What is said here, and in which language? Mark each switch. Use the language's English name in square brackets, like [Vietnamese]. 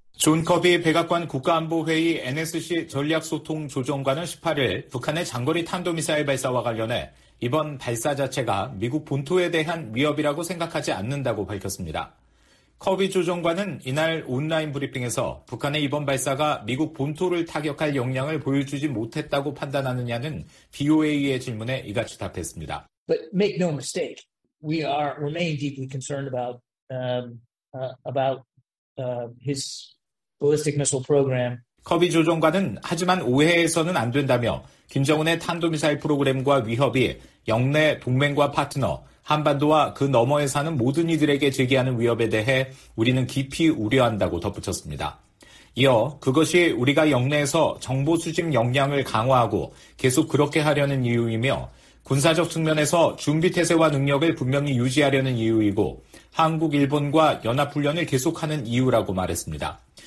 [Korean] 존 커비 백악관 국가안보회의 NSC 전략소통조정관은 18일 북한의 장거리 탄도미사일 발사와 관련해 이번 발사 자체가 미국 본토에 대한 위협이라고 생각하지 않는다고 밝혔습니다. 커비 조정관은 이날 온라인 브리핑에서 북한의 이번 발사가 미국 본토를 타격할 역량을 보여주지 못했다고 판단하느냐는 BOA의 질문에 이같이 답했습니다. [English] But make no mistake, we are remain deeply concerned about his ballistic missile program. [Korean] 커비 조정관은 하지만 오해해서는 안 된다며 김정은의 탄도미사일 프로그램과 위협이 영내 동맹과 파트너, 한반도와 그 너머에 사는 모든 이들에게 제기하는 위협에 대해 우리는 깊이 우려한다고 덧붙였습니다. 이어 그것이 우리가 영내에서 정보 수집 역량을 강화하고 계속 그렇게 하려는 이유이며 군사적 측면에서 준비태세와 능력을 분명히 유지하려는 이유이고 한국, 일본과 연합훈련을 계속하는 이유라고 말했습니다.